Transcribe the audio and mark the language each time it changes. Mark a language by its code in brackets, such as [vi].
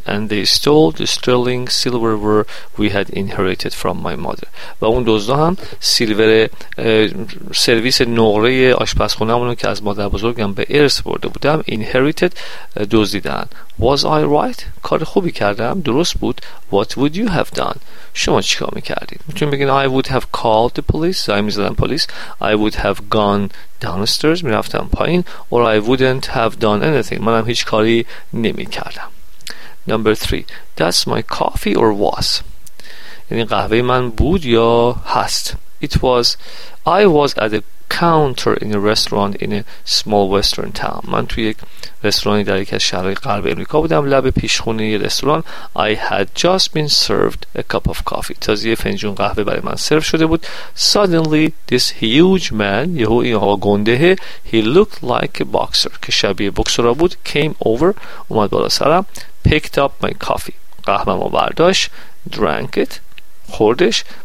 [en] And they stole the sterling silverware we had inherited from my mother. [fa] و اون دزدها هم سیلور سرویس نقره آشپزخونه‌مونو که از مادر بزرگم به ارث برده بودم [en] inherited [fa] دزدیدن. [en] Was I right? [fa] کار خوبی کردم. درست بود. [en] What would you have done? [fa] شما چیکار میکردید؟ میتونید بگین [en] I would have called the police. [fa] زنگ میزدم پلیس. [en] I would have gone downstairs. [fa] میرفتم پایین. [en] Or I wouldn't have done anything. [fa] منم هیچ کاری نمیکردم. [en] Number 3. That's my coffee or was? [fa] یعنی قهوه من بود یا هست. [en] I was at a counter in a restaurant in a small western town. [fa] من توی یک رستورانی در یک از شهرهای غرب امریکا بودم. لب پیشخونه یه رستوران. [en] I had just been served a cup of coffee. [fa] تازه یه فنجون قهوه برای من سرو شده بود. [en] Suddenly this huge man, [fa] یهو این آقا گنده، [en] he looked like a boxer. [fa] که شبیه بوکسر بود. [en] Came over. [fa] اومد بالا سرم. [en] Picked up my coffee. [fa] قهوه‌مو برداشت. [en] Drank it. [fa] خوردش.